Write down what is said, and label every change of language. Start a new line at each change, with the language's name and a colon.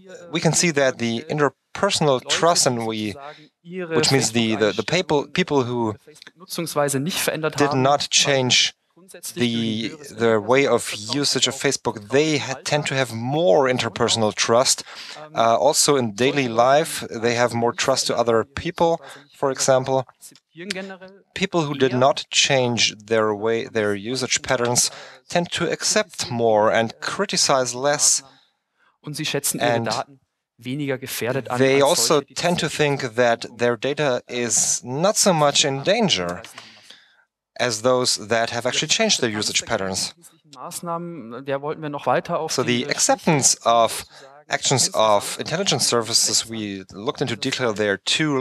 English: We can see that the interpersonal trust, and which means the people who did not change the way of usage of Facebook, they tend to have more interpersonal trust. Also in daily life, they have more trust to other people. For example, people who did not change their usage patterns tend to accept more and criticize less.
German: Und sie schätzen ihre Daten weniger gefährdet an.
English: They also tend to think that their data is not so much in danger as those that have actually changed their usage patterns. So the acceptance of actions of intelligence services, we looked into detail there too.